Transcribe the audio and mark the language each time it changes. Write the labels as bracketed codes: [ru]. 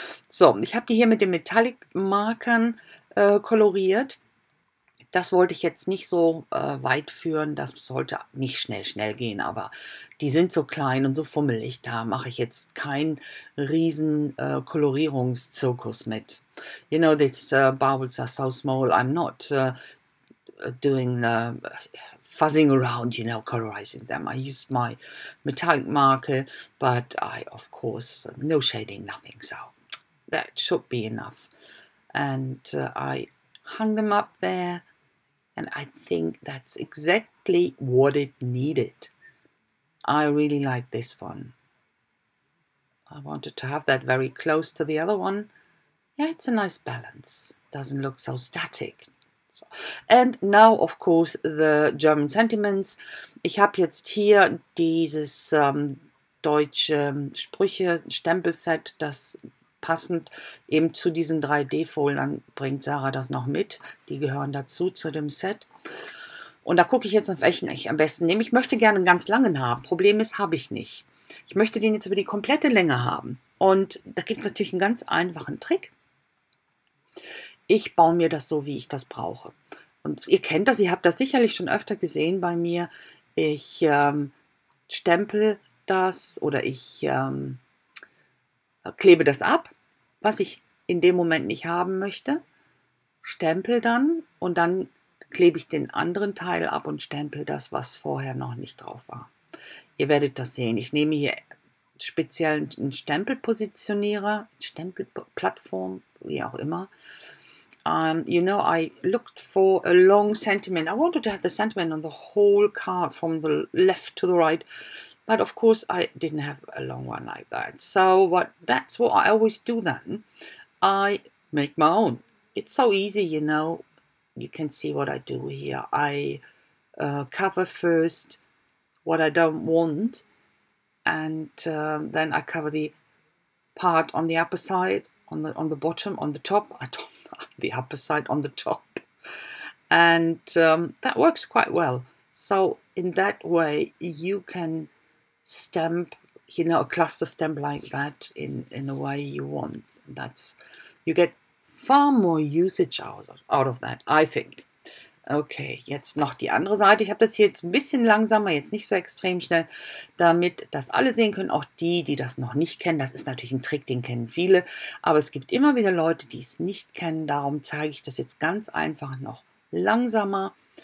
[de] So, ich habe die hier mit den Metallic-Markern koloriert. Das wollte ich jetzt nicht so weit führen. Das sollte nicht schnell gehen. Aber die sind so klein und so fummelig. Da mache ich jetzt keinen riesen Kolorierungszirkus mit. [en] You know, these baubles are so small. I'm not doing the fuzzing around, you know, colorizing them. I used my metallic marker, but I, of course, no shading, nothing. So that should be enough. And I hung them up there. And I think that's exactly what it needed. I really like this one. I wanted to have that very close to the other one. Yeah, it's a nice balance. Doesn't look so static. So. And now, of course, the German sentiments. [de] Ich habe jetzt hier dieses deutsche Sprüche-Stempelset, das passend eben zu diesen 3D-Foldern bringt Sarah das noch mit. Die gehören dazu zu dem Set. Und da gucke ich jetzt, auf welchen ich am besten nehme. Ich möchte gerne einen ganz langen haben. Problem ist, habe ich nicht. Ich möchte den jetzt über die komplette Länge haben. Und da gibt es natürlich einen ganz einfachen Trick. Ich baue mir das so, wie ich das brauche. Und ihr kennt das, ihr habt das sicherlich schon öfter gesehen bei mir. Ich stempel das oder ich klebe das ab, was ich in dem Moment nicht haben möchte, stempel dann und dann klebe ich den anderen Teil ab und stempel das, was vorher noch nicht drauf war. Ihr werdet das sehen. Ich nehme hier speziell einen Stempelpositionierer, Stempelplattform, wie auch immer. [en] You know, I looked for a long sentiment. I wanted to have the sentiment on the whole card from the left to the right. But of course, I didn't have a long one like that. So that's what I always do then. I make my own. It's so easy, you know. You can see what I do here. I cover first what I don't want. And then I cover the part on the upper side, on the bottom, on the top. I don't know, the upper side, on the top. And that works quite well. So in that way, you can stamp, you know, a cluster stamp like that in a way you want. That's, you get far more usage out of that, I think. [de] Okay, jetzt noch die andere Seite. Ich habe das hier jetzt ein bisschen langsamer, jetzt nicht so extrem schnell, damit das alle sehen können, auch die, die das noch nicht kennen. Das ist natürlich ein Trick, den kennen viele, aber es gibt immer wieder Leute, die es nicht kennen. Darum zeige ich das jetzt ganz einfach noch langsamer.